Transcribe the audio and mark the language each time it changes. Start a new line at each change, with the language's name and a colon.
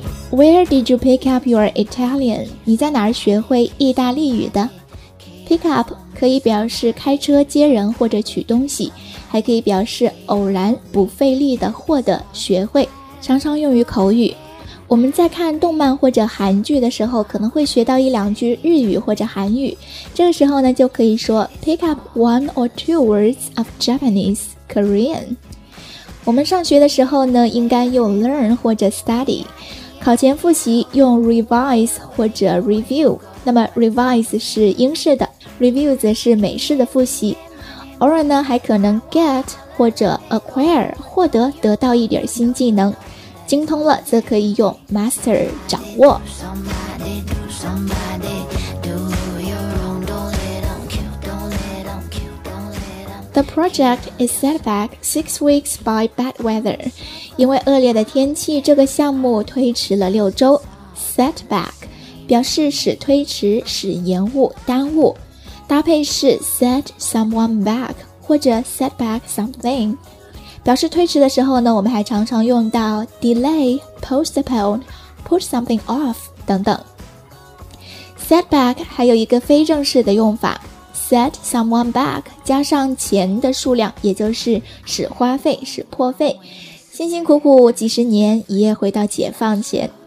English: Where did you pick up your Italian?
Chinese: 你在哪儿学会意大利语的？Pick up 可以表示开车接人或者取东西，还可以表示偶然不费力的获得学会，常常用于口语。我们在看动漫或者韩剧的时候，可能会学到一两句日语或者韩语，这个时候呢，就可以说
English: pick up one or two words of Japanese, Korean。
Chinese: 我们上学的时候呢，应该用 learn 或者 study， 考前复习用 revise 或者 review。那么 revise 是英式的， review 则是美式的复习。偶尔呢，还可能 get 或者 acquire， 获得得到一点新技能，精通了则可以用 master 掌握。
English: The project is set back 6 weeks by bad weather.
Chinese: 因为恶劣的天气，这个项目推迟了6周。 Set back 表示使推迟、使延误、耽误，搭配是 set someone back 或者 set back something。表示推迟的时候呢，我们还常常用到 delay, postpone, put something off 等等。 setback 还有一个非正式的用法， set someone back 加上钱的数量，也就是使花费、使破费，辛辛苦苦几十年一夜回到解放前。